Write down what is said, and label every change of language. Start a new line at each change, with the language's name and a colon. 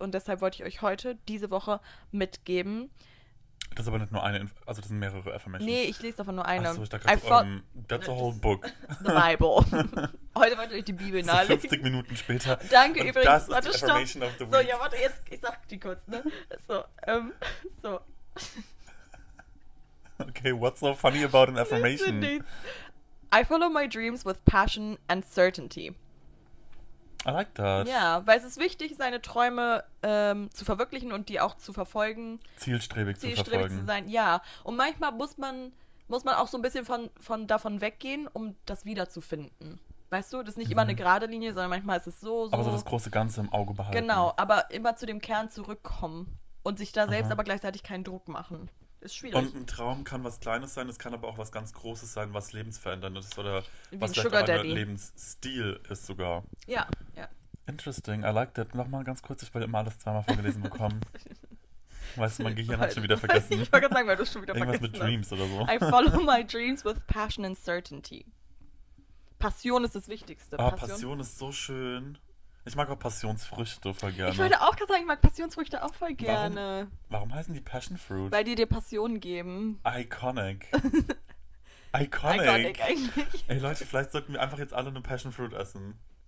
German: Und deshalb wollte ich euch heute, diese Woche, mitgeben. Das ist aber nicht nur eine, also das sind mehrere Affirmations. Nee, ich lese davon nur eine. Achso, ich dachte gerade, that's a whole book.
English: The Bible.
German: Heute wollte ich die Bibel nahelegen. 50 Minuten später. Danke und übrigens. Das ist warte, die Affirmation stopp.
English: Of the week.
German: So, ja, warte, jetzt, ich sag die kurz, ne? So, so.
English: Okay, what's so funny about an affirmation? I follow my dreams with passion and certainty. I like that.
German: Ja, weil es ist wichtig, seine Träume zu verwirklichen und die auch zu verfolgen. Zielstrebig zu verfolgen. Zu sein, ja. Und manchmal muss man auch so ein bisschen von davon weggehen, um das wiederzufinden. Weißt du, das ist nicht immer eine gerade Linie, sondern manchmal ist es so, so. Aber so das große Ganze im Auge behalten. Genau, aber immer zu dem Kern zurückkommen und sich da selbst aber gleichzeitig keinen Druck machen. Ist schwierig. Und ein Traum kann was Kleines sein, es kann aber auch was ganz Großes sein, was lebensverändernd ist oder wie was ein Sugar Daddy. Lebensstil ist sogar. Ja, ja.
English: Interesting, I like that.
German: Nochmal ganz kurz, ich wollte immer alles zweimal vorgelesen bekommen. Weißt du, mein Gehirn hat schon wieder vergessen. Ich wollte gerade sagen, weil du es schon wieder irgendwas vergessen irgendwas mit Dreams hast. Oder so.
English: I follow my dreams with passion and certainty.
German: Passion ist das Wichtigste. Passion. Oh, Passion ist so schön. Ich mag auch Passionsfrüchte voll gerne. Ich wollte auch gerade sagen, ich mag Passionsfrüchte auch voll gerne. Warum heißen die Passion Fruit? Weil die dir Passion geben. Iconic. Iconic eigentlich. Ey Leute, vielleicht sollten wir einfach jetzt alle eine Passion Fruit essen.